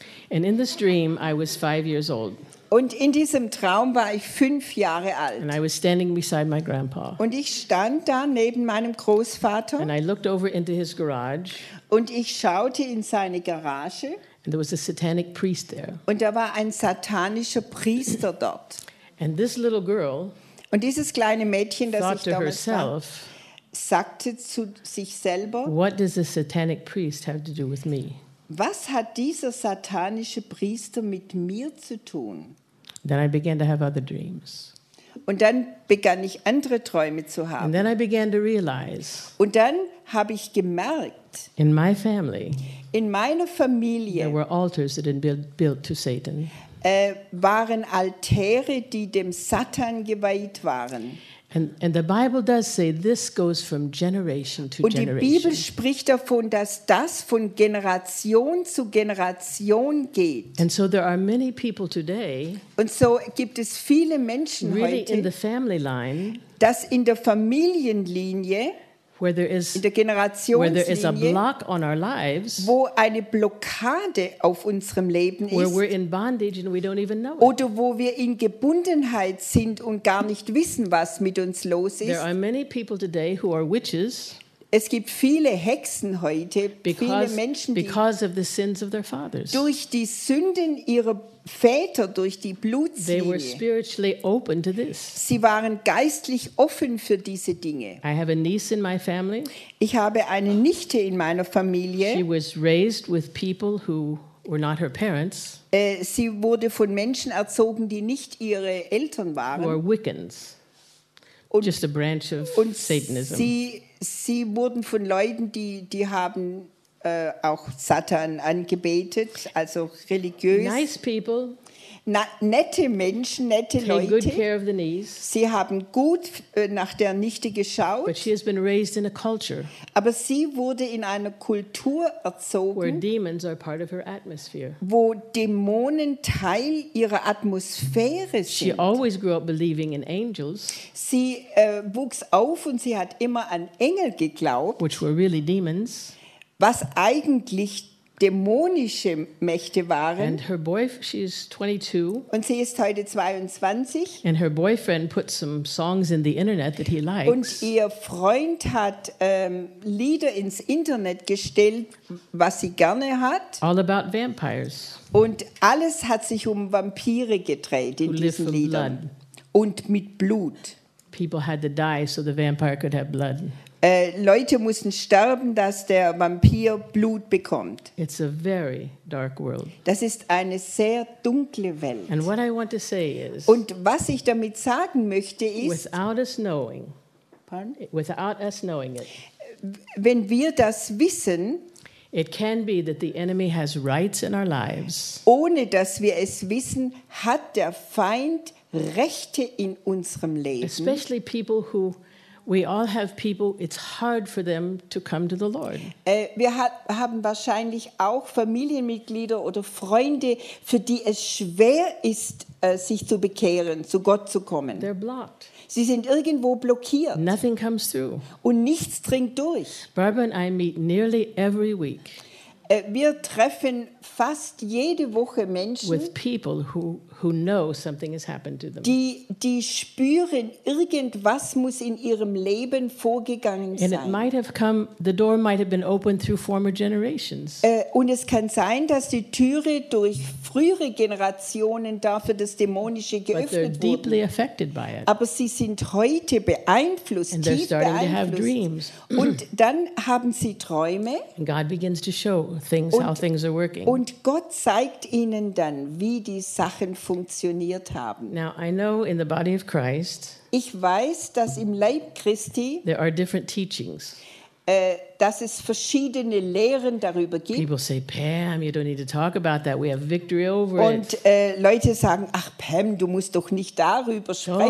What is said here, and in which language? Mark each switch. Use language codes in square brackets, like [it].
[en] And in this dream, I was 5 years old. [de] Und in diesem Traum war ich 5 Jahre alt. [en] And I was standing beside my grandpa. [de] Und ich stand da neben meinem Großvater. [en] And I looked over into his garage. [de] Und ich schaute in seine Garage. [en] And there was a satanic priest there. [de] Und da war ein satanischer Priester dort. [en] And this little girl, [de] und dieses kleine Mädchen, das ich damals war, sagte zu sich selber, [en] what does a satanic priest have to do with me? [de] Was hat dieser satanische Priester mit mir zu tun? [en] Then I began to have other dreams. [de] Und dann begann ich andere Träume zu haben. [en] And then I began to realize, [de] und dann habe ich gemerkt, [en] in my family, [de] in meiner Familie, [en] there were altars that had been built to Satan. [de] Waren Altäre, die dem Satan geweiht waren. [en] And the Bible does say this goes from generation to generation. [de] Und die Bibel spricht davon, dass das von Generation zu Generation geht. [en] And so there are many people today. [de] Und so gibt es viele Menschen [en] really [de] heute. [en] In the family line, [de] dass in der Familienlinie, [en] where there is, [de] in der Generationslinie, [en] where there is a block on our lives, [de] wo eine Blockade auf unserem Leben ist, [en] where we're in bondage and we don't even know it. [de] Oder wo wir in Gebundenheit sind und gar nicht wissen, was mit uns los ist. [en] There are many people today who are witches. [de] Es gibt viele Hexen heute, viele Menschen, [en] because of the sins of their fathers. [de] Durch die Sünden ihrer Väter, durch die Blutslinie. [en] They were spiritually open to this. [de] Sie waren geistlich offen für diese Dinge. [en] I have a niece in my family. [de] Ich habe eine Nichte in meiner Familie. [en] She was raised with people who were not her parents. [de] Sie wurde von Menschen erzogen, die nicht ihre Eltern waren. [en] Or Wiccans. [de] Und, [en] just a branch of [de] und [en] Satanism. [de] Sie wurden von Leuten, die haben auch Satan angebetet, also religiös. [en] Nice people. [de] Nette Menschen, nette [en] take [de] Leute. [en] Good care of the niece. [de] Sie haben gut nach der Nichte geschaut. [en] But she has been raised in a culture. [de] Aber sie wurde in einer Kultur erzogen, [en] where demons are part of her atmosphere. [de] Wo Dämonen Teil ihrer Atmosphäre sind. [en] She always grew up believing in angels. [de] Sie wuchs auf und sie hat immer an Engel geglaubt. [en] Which were really demons. [de] Was eigentlich dämonische Mächte waren. [en] And her she is 22. [de] Und sie ist heute 22. [en] And her boyfriend put some songs in the internet that he likes. [de] Und ihr Freund hat Lieder ins Internet gestellt, was sie gerne hat. [en] All about vampires. [de] Und alles hat sich um Vampire gedreht in [en] who [de] diesen Liedern. [en] Blood. [de] Und mit Blut. [en] people had to die so the vampire could have blood. [de] Leute mussten sterben, dass der Vampir Blut bekommt. [en] It's a very dark world. [de] Das ist eine sehr dunkle Welt. [en] And what I want to say is, [de] und was ich damit sagen möchte ist, [en] without us knowing it, [de] wenn wir das wissen, [en] it can be that the enemy has rights in our lives. [de] Ohne dass wir es wissen, hat der Feind Rechte in unserem Leben. [en] Especially people who we all have people, it's hard for them to come to the Lord. [de] Wir haben wahrscheinlich auch Familienmitglieder oder Freunde, für die es schwer ist, sich zu bekehren, zu Gott zu kommen. [en] They're blocked. [de] Sie sind irgendwo blockiert. [en] Nothing comes through. [de] Und nichts dringt durch. [en] Barbara and I meet nearly every week. [de] Wir treffen fast jede Woche Menschen, [en] with people who know something has happened to them. [de] Die spüren, irgendwas muss in ihrem Leben vorgegangen sein. [en] And it might have come, the door might have been opened through former generations. [de] Und es kann sein, dass die Türe durch frühere Generationen dafür das Dämonische geöffnet wurde. [en] But they're deeply affected by it. [de] Aber sie sind heute beeinflusst, [en] and they're starting [de] beeinflusst. [en] To have dreams. [de] Und dann haben sie Träume. [en] And God begins to show things, how things are working. [de] Und Gott zeigt ihnen dann, wie die Sachen funktioniert haben. [en] Now I know in the body of Christ, [de] ich weiß, dass im Leib Christi, [en] there are different teachings. [de] Dass es verschiedene Lehren darüber gibt. [en] People say, Pam, you don't need to talk about that. We have victory over [de] und, [en] it. [de] Und Leute sagen, ach Pam, du musst doch nicht darüber sprechen.